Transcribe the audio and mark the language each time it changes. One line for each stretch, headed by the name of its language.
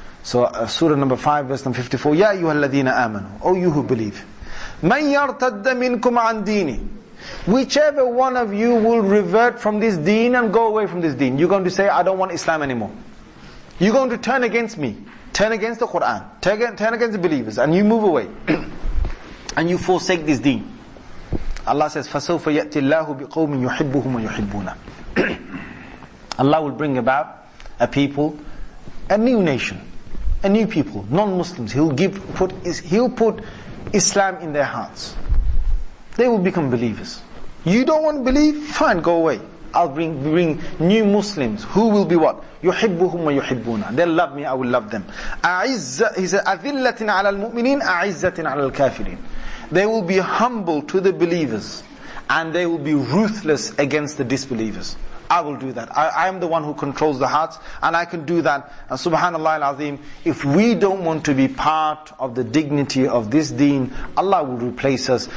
English: So, Surah number 5, verse number 54.
Arabic: Ya ayyuha alladhina amanu,
English: O you who believe.
Arabic: مَنْ يَرْتَدَّ مِنْكُمْ عَنْ دِينِ.
English: Whichever one of you will revert from this deen and go away from this deen. You're going to say, I don't want Islam anymore. You're going to turn against me. Turn against the Quran. Turn against the believers. And you move away. And you forsake this deen. Allah says,
Arabic: فَسَوْفَ يَأْتِ اللَّهُ بِقَوْمٍ يُحِبُّهُمْ وَيُحِبُّونَ.
English: Allah will bring about a people, a new nation, a new people, non-Muslims. He'll put Islam in their hearts. They will become believers. You don't want to believe? Fine, go away. I'll bring new Muslims. Who will be what?
Arabic: يُحِبُّهُمْ وَيُحِبُّونَ.
English: They'll love me, I will love them.
Arabic: أَعِزَّ
English: He said,
Arabic: أَذِلَّةٍ عَلَى الْمُؤْمِنِينَ أَعِزَّةٍ عَلَى الْكَافِرِينَ.
English: They will be humble to the believers, and they will be ruthless against the disbelievers. I will do that. I am the one who controls the hearts, and I can do that. And subhanAllah al-Azim, if we don't want to be part of the dignity of this deen, Allah will replace us.